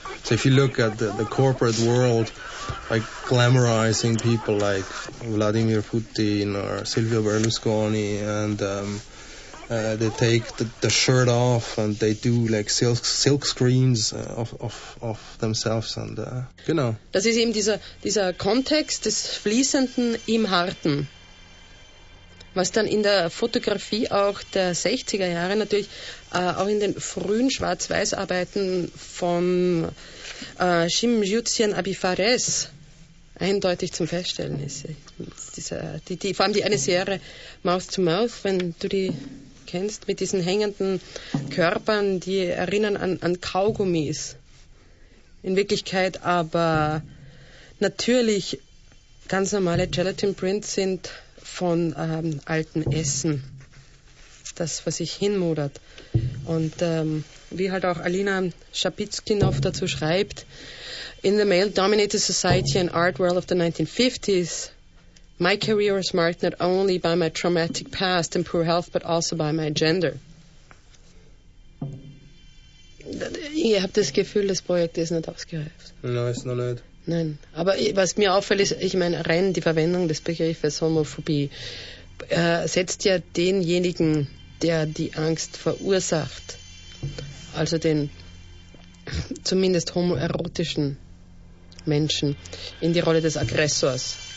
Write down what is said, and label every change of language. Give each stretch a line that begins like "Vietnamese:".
English: So if you look at the corporate world, like glamorizing people like Vladimir Putin or Silvio Berlusconi, and they take the shirt off and they do like silk screens of themselves and genau.
German: Das ist eben dieser Kontext des Fließenden im Harten, was dann in der Fotografie auch der 60er Jahre natürlich auch in den frühen Schwarz-Weiß-Arbeiten von Shim Jutsian Abifares eindeutig zum Feststellen ist. Vor allem die eine Serie Mouth to Mouth, wenn du die kennst, mit diesen hängenden Körpern, die erinnern an Kaugummis. In Wirklichkeit aber natürlich ganz normale Gelatin Prints sind von altem Essen. Das, was sich hinmodert. Und wie halt auch Alina Schapitzkinow dazu schreibt,
English: in the male-dominated society and art world of the 1950s, My career is marked not only by my traumatic past and poor health, but also by my gender.
German: Ihr habt das Gefühl, das Projekt ist nicht ausgereift. Nein, ist noch nicht. Nein, aber was mir auffällt, ist, ich meine, rein die Verwendung des Begriffes Homophobie setzt ja denjenigen, der die Angst verursacht, also den zumindest homoerotischen Menschen, in die Rolle des Aggressors.